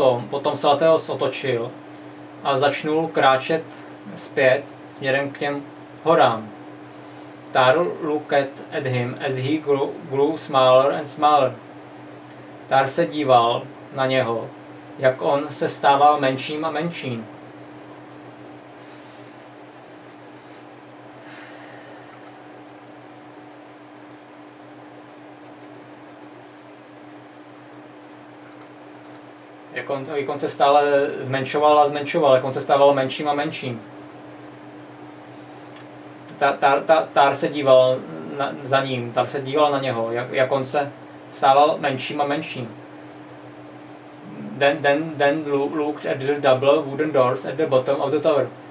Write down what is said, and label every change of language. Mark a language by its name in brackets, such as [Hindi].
[Czech] Potom se Latéos otočil a začnul kráčet zpět směrem k těm horám. [English] Tár looked at him as he grew smaller and smaller. [Czech] Tár se díval na něho, jak on se stával menším a menším. Jak on se stále zmenšoval a zmenšoval, jak on se stával menším a menším. Tár se díval za ním, Tár se díval na něho, jak on se stával menším a menším. [English] Then looked at the double wooden doors at the bottom of the tower.